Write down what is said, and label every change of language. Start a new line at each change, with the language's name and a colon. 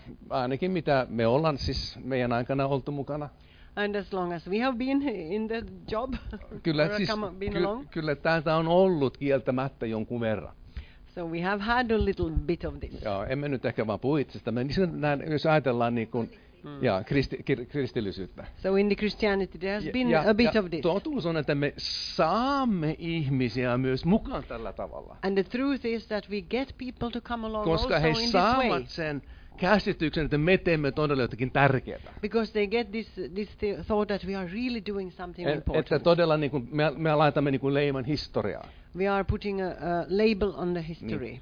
Finnish: Ainakin mitä me ollaan siis meidän aikana oltu mukana.
English: And as long as we have been in the job.
Finnish: Kyllä, kyllä täältä on ollut kieltämättä jonkun verran.
English: So we have had a little bit of this.
Finnish: Joo, emme nyt ehkä vaan puhu itsestämme, niin jos ajatellaan niin kuin kristillisyyttä.
English: So in the Christianity there has been a bit of this.
Finnish: Totuus on, että me saamme ihmisiä myös mukaan tällä tavalla.
English: And the truth is that we get people to come along also in this way.
Finnish: Koska he saavat sen käsityksen, että me teemme todella jotakin tärkeää.
English: Because they get this thought that we are really doing something important.
Finnish: Että todella niin kuin me laitamme niin kuin leiman historiaa.
English: We are putting a label on the history.